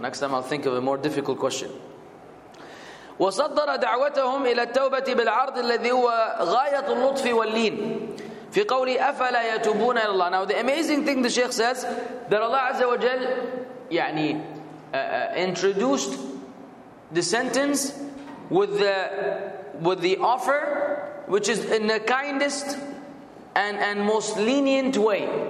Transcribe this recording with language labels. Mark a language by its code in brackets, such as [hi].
[en] Next time I'll think of a more difficult question. [ar] وصدر دعوتهم إلى التوبة بالعرض الذي هو غاية اللطف واللين في قولي أفلا يتوبون إلى الله. [en] Now the amazing thing the Shaykh says that Allah Azza wa Jal [ar] يعني [en] introduced the sentence with the offer which is in the kindest and most lenient way.